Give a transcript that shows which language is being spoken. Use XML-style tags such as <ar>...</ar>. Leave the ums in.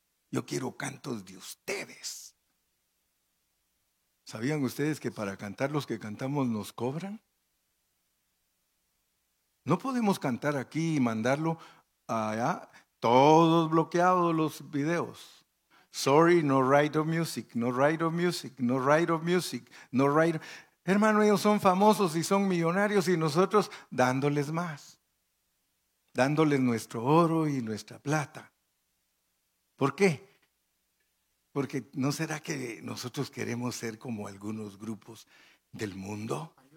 <es>Yo quiero cantos de ustedes. ¿Sabían ustedes que para cantar los que cantamos nos cobran? No podemos cantar aquí y mandarlo allá, todos bloqueados los videos.</es> <en>Sorry, no right of music, no right of music, no right of music, no right. Ride... Of...</en> <es>Hermano, ellos son famosos y son millonarios y nosotros dándoles más, dándoles nuestro oro y nuestra plata. ¿Por qué? Porque ¿no será que nosotros queremos ser como algunos grupos del mundo?</es>